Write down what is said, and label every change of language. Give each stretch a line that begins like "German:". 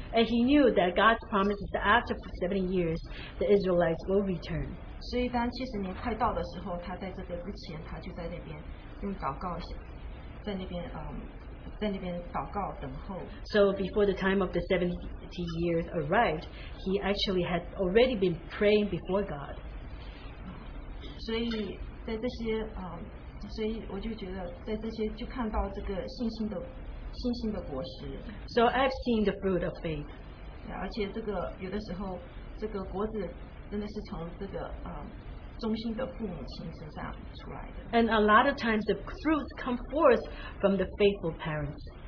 English: And he knew that God's promise is that after 70 years, the Israelites will return.
Chinese: 所以当70年快到的时候, 他在这个之前他就在那边用祷告在那边祷告等候。
English: So before the time of the 70 years arrived, he actually had already been praying before God.
Chinese: 所以在这些 所以我就觉得在这些就看到这个信心的果实。
English: So I've seen the fruit of faith.
Chinese: 而且这个有的时候这个果子真的是从这个忠心的父母亲身上出来的。
English: And a lot of times the fruits come forth from the faithful parents.